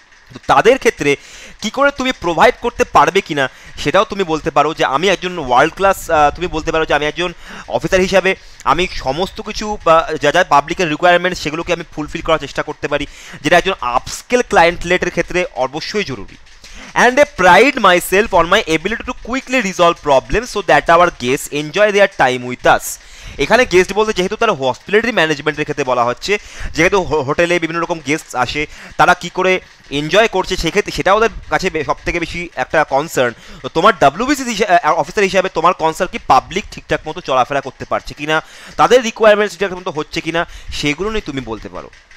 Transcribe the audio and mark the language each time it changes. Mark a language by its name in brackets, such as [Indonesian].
[Bangla] তো তাদের ক্ষেত্রে কী করে তুমি প্রোভাইড করতে পারবে কি না সেটাও তুমি বলতে পারো যে আমি একজন ওয়ার্ল্ড ক্লাস, তুমি বলতে পারো যে আমি একজন অফিসার হিসাবে আমি সমস্ত কিছু বা যা যা পাবলিকের রিকোয়ারমেন্ট সেগুলোকে আমি ফুলফিল করার চেষ্টা করতে পারি, যেটা একজন আপস্কেল ক্লায়েন্ট লেটের ক্ষেত্রে অবশ্যই জরুরি। [English] and I pride myself on my ability to quickly resolve problems so that our guests enjoy their time with us. [Bangla] এখানে গেস্ট বলতে যেহেতু তারা হসপিটালিটি ম্যানেজমেন্টের ক্ষেত্রে বলা হচ্ছে, যেহেতু হোটেলে বিভিন্ন রকম গেস্ট আসে তারা কী করে এনজয় করছে সেক্ষেত্রে সেটা ওদের কাছে সবথেকে বেশি একটা কনসার্ন। তো তোমার WBCS অফিসার হিসাবে তোমার কনসার্ন কি পাবলিক ঠিকঠাক মতো চলাফেরা করতে পারছে কি না, তাদের রিকোয়ারমেন্টস ঠিকঠাক মতো হচ্ছে কি না, সেগুলো নিয়ে তুমি বলতে পারো।